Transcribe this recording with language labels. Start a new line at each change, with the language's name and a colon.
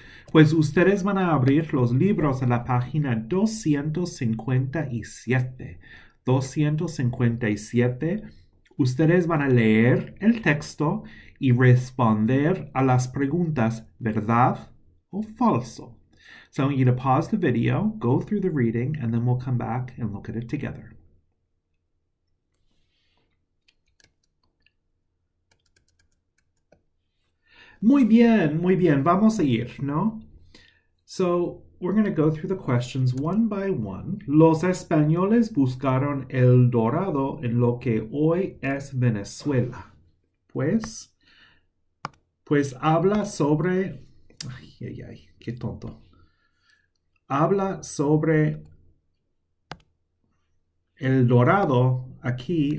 Spanish: Pues ustedes van a abrir los libros en la página 257. 257. Ustedes van a leer el texto y responder a las preguntas, ¿verdad o falso?
English: So I want you to pause the video, go through the reading, and then we'll come back and look at it together.
Spanish: Muy bien, muy bien. Vamos a ir, ¿no?
English: So we're going to go through the questions one by one.
Spanish: Los españoles buscaron el dorado en lo que hoy es Venezuela. Pues habla sobre. Ay, ay, ay, qué tonto. Habla sobre el dorado aquí.